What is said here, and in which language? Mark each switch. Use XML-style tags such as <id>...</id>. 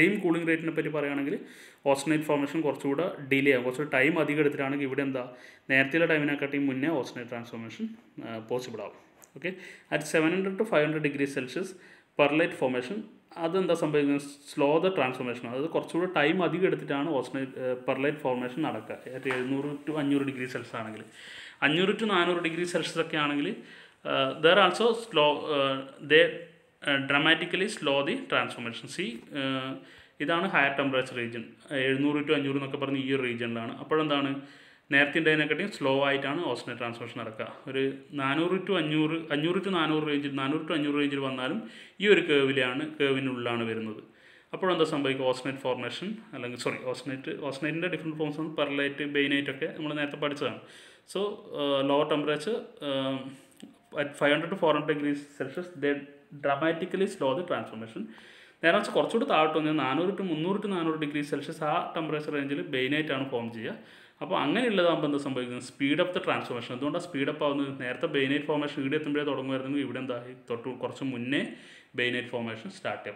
<ml>Same cooling റേറ്റിനെ പറ്റി പറയുകയാണെങ്കിൽ ഓസ്റ്റിനേറ്റ് formation കുറച്ചുകൂടെ ഡിലേ ആവും, കുറച്ചുകൂടെ ടൈം അധികം എടുത്തിട്ടാണെങ്കിൽ ഇവിടെ എന്താ, നേരത്തെയുള്ള ടൈമിനെക്കാട്ടിയും മുന്നേ ഓസ്റ്റിനേറ്റ് ട്രാൻസ്ഫോർമേഷൻ പോസിബിൾ ആവും. Okay, at 700 to 500 degree Celsius perlite formation, അതെന്താ സംഭവിക്കുന്നത്, സ്ലോ ദ ട്രാൻസ്ഫോർമേഷൻ. അതായത് കുറച്ചുകൂടെ ടൈം അധികം എടുത്തിട്ടാണ് ഓസ്റ്റിനേറ്റ് പെർലൈറ്റ് ഫോർമേഷൻ നടക്കുക. അറ്റ് 700 to 500 ഡിഗ്രി സെൽഷ്യസ് ആണെങ്കിൽ, 500 to 400 ഡിഗ്രി സെൽഷ്യസ് ഒക്കെ ആണെങ്കിൽ</ml> <en>there also slow, they dramatically slow the transformation.</en> <ml>See, ഇതാണ് ഹയർ ടെമ്പറേച്ചർ റീജിയൻ, 700 to 500 എന്നൊക്കെ പറഞ്ഞ ഈ ഒരു റീജിയനിലാണ്. അപ്പോഴെന്താണ്, നേരത്തെയുണ്ടതിനെക്കാട്ടിയും സ്ലോ ആയിട്ടാണ് ഓസ്റ്റിനേ ട്രാൻസ്ഫോർമേഷൻ നടക്കുക. ഒരു 400 to 500 റേഞ്ചിൽ, 400 to 500 റേഞ്ചിൽ വന്നാലും ഈ ഒരു കേവിലെയാണ്, കേവിനുള്ളിലാണ് വരുന്നത്. അപ്പോഴെന്താ സംഭവിക്കുക, ഓസ്റ്റിനേറ്റ് ഫോർമേഷൻ, അല്ലെങ്കിൽ സോറി ഓസ്റ്റിനേറ്റിൻ്റെ ഡിഫറെൻറ്റ് ഫോംസ് ആണ് പെർലൈറ്റ്, ബെയിനൈറ്റ് ഒക്കെ നമ്മൾ നേരത്തെ പഠിച്ചതാണ്. So lower temperature</ml> <en>at 500 to 400 degrees Celsius, they dramatically slow the transformation.</en> <ml>നേരെ വെച്ചാൽ കുറച്ചുകൂടെ താഴ്ത്തുന്നത് 400 to 300 ഡിഗ്രി സെൽഷ്യസ്, ആ ടെമ്പറേച്ചർ റേഞ്ചിൽ ബെയിനായിട്ടാണ് ഫോം ചെയ്യുക. അപ്പോൾ അങ്ങനെയുള്ളതാകുമ്പോൾ എന്താ സംഭവിക്കുന്നത്, സ്പീഡ് ഓഫ് ദ ട്രാൻസ്ഫോർമേഷൻ. എന്തുകൊണ്ടാണ് സ്പീഡ് അപ്പ് ആവുന്നത്, നേരത്തെ ബെയിനൈറ്റ് ഫോർമേഷൻ ഇവിടെ എത്തുമ്പോഴേ തുടങ്ങുമായിരുന്നു, ഇവിടെ എന്താ തൊട്ട് കുറച്ച് മുന്നേ ബെയിനൈറ്റ് ഫോർമേഷൻ സ്റ്റാർട്ട് ചെയ്യും.</ml>